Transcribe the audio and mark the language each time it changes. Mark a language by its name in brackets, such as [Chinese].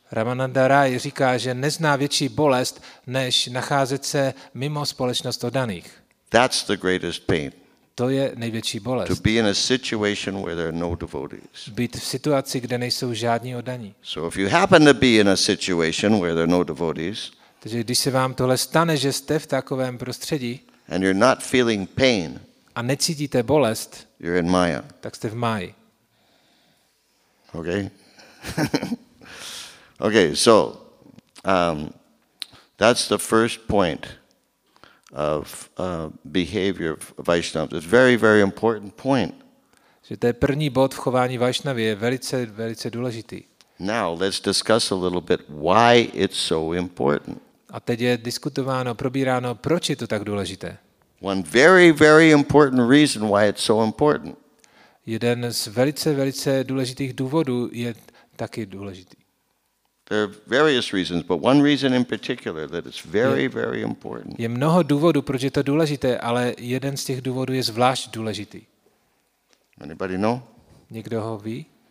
[Czech] Ramananda Roy říká, že nezná větší bolest, než nacházet se mimo společnost oddaných. [English] That's the greatest pain. [Czech] To je největší bolest. [English] To be in a situation where there are no devotees. [Czech] Být v situaci, kde nejsou žádní oddaní. [English] So if you happen to be in a situation where there are no devotees. [Czech] Takže když se vám tohle stane, že jste v takovém prostředí. [English] And you're not feeling pain. [Czech] A necítíte bolest. [English] You're in Maya. [Czech] Tak jste v Maji. [English] Okay. Okay, so that's the first point of behavior of Vaishnavas. It's a very, very important point. [Czech] Že to je první bod v chování Vaishnavy, je velice, velice důležitý. [English] Now, let's discuss a little bit why it's so important. [Czech] A teď je diskutováno, probíráno, proč je to tak důležité. [English] One very, very important reason why it's so important. [Czech] Jeden z velice, velice důležitých důvodů je taky důležitý. [English] There are various reasons, but one reason in particular that it's very, very important. [Czech] Je mnoho důvodů, proč je to důležité, ale jeden z těch důvodů je zvlášť důležitý. [English] Anybody know? [Czech] Někdo ho ví?